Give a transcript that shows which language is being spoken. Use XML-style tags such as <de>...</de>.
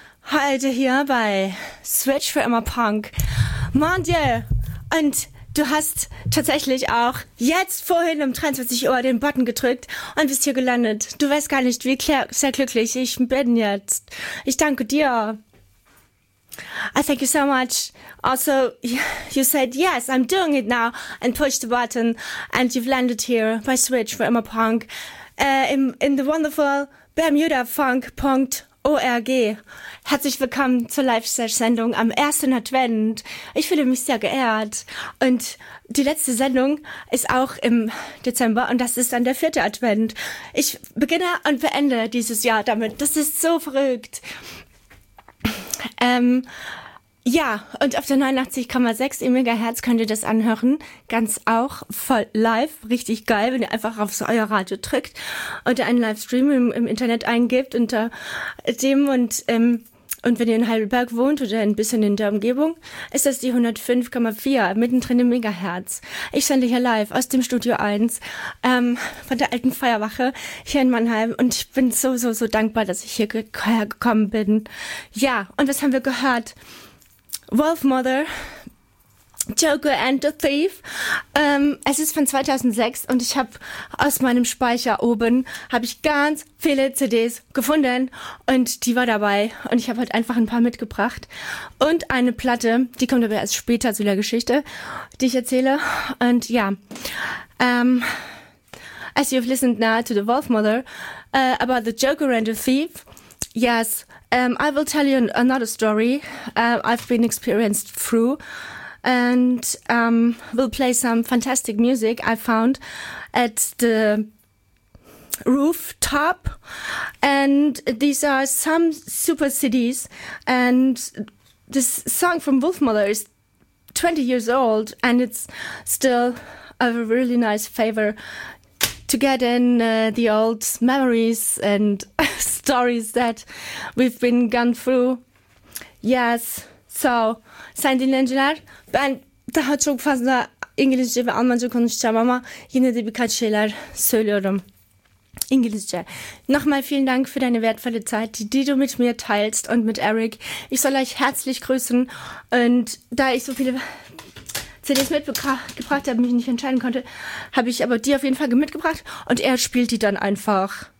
<de>Heute hier bei Switch für immer Punk.</de> <fr>Mon Dieu.</fr> <de>Und du hast tatsächlich auch jetzt vorhin um 23 Uhr den Button gedrückt und bist hier gelandet. Du weißt gar nicht, wie sehr glücklich ich bin jetzt. Ich danke dir.</de> <en>I thank you so much. Also, you said, yes, I'm doing it now, and pushed the button, and you've landed here by Switch for Emma Punk in the wonderful bermudafunk.org.</en> <de>Herzlich willkommen zur Live-Sendung am 1. Advent. Ich fühle mich sehr geehrt. Und die letzte Sendung ist auch im Dezember, und das ist dann der 4. Advent. Ich beginne und beende dieses Jahr damit. Das ist so verrückt. Ja, und auf der 89,6 im Megahertz könnt ihr das anhören, ganz auch voll live, richtig geil, wenn ihr einfach auf so euer Radio drückt und einen Livestream im Internet eingibt unter dem und wenn ihr in Heidelberg wohnt oder ein bisschen in der Umgebung, ist das die 105,4 mittendrin im Megahertz. Ich sende hier live aus dem Studio 1 von der alten Feuerwache hier in Mannheim und ich bin so, so, so dankbar, dass ich hierher gekommen bin. Ja, und was haben wir gehört? Wolf Mother, Joker and the Thief. Es ist von 2006 und ich habe aus meinem Speicher oben habe ich ganz viele CDs gefunden und die war dabei und ich habe halt einfach ein paar mitgebracht und eine Platte, die kommt aber erst später zu der Geschichte, die ich erzähle. Und ja,</de> <en>as you've listened now to the Wolf Mother about the Joker and the Thief, yes, I will tell you another story I've been experienced through. And we'll play some fantastic music I found at the rooftop. And these are some super CDs. And this song from Wolfmother is 20 years old, and it's still a really nice favor to get in the old memories and stories that we've been gone through. Yes, so Zayn Dinlen Gelage.</en> <tr>Ben daha çok fazla İngilizce ve Almanca konuşacağım ama yine de birkaç şeyler söylüyorum. İngilizce.</tr> <de>Nochmal vielen Dank für deine wertvolle Zeit, die du mit mir teilst und mit Eric. Ich soll euch herzlich grüßen. Und da ich so viele CDs mitgebracht habe, mich nicht entscheiden konnte, habe ich aber die auf jeden Fall mitgebracht. Und er spielt die dann einfach.</de>